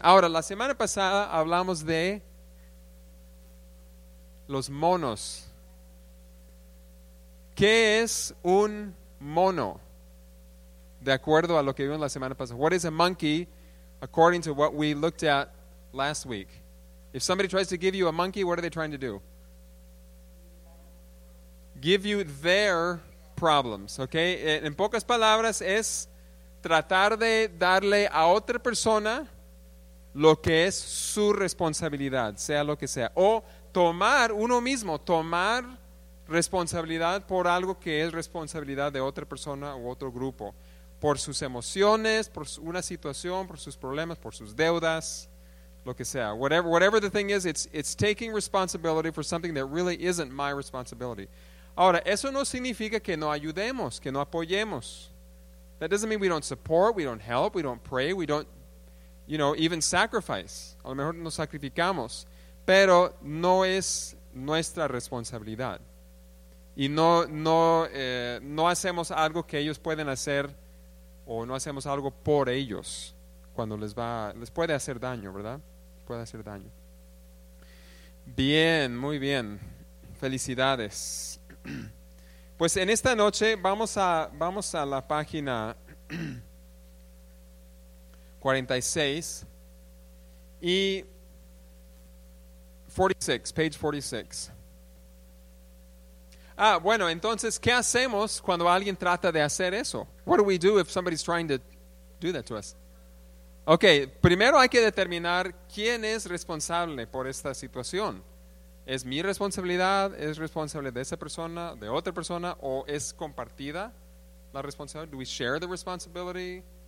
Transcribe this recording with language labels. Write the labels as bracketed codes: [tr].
[es] Ahora, la semana pasada hablamos de los monos. ¿Qué es un mono? De acuerdo a lo que vimos la semana pasada. [en] What is a monkey according to what we looked at last week? If somebody tries to give you a monkey, what are they trying to do? Give you their problems, okay? [es] En pocas palabras, es tratar de darle a otra persona lo que es su responsabilidad, sea lo que sea. O tomar uno mismo, tomar responsabilidad por algo que es responsabilidad de otra persona u otro grupo, por sus emociones, por una situación, por sus problemas, por sus deudas, lo que sea. [en] Whatever the thing is, it's taking responsibility for something that really isn't my responsibility. [es] Ahora, eso no significa que no ayudemos, que no apoyemos. [en] That doesn't mean we don't support, we don't help, we don't pray, we don't, you know, even sacrifice. [es] A lo mejor nos sacrificamos, pero no es nuestra responsabilidad. Y no hacemos algo que ellos pueden hacer o no hacemos algo por ellos cuando les puede hacer daño, ¿verdad? Puede hacer daño. Bien, muy bien. Felicidades. Pues en esta noche vamos a la página 46 y 46, [en] page 46. [es] Ah, bueno, entonces, ¿qué hacemos cuando alguien trata de hacer eso? [en] What do we do if somebody's trying to do that to us? [es] Okay, primero hay que determinar quién es responsable por esta situación. ¿Es mi responsabilidad? ¿Es responsable de esa persona, de otra persona? ¿O es compartida la responsabilidad? [en] Do we share the responsibility?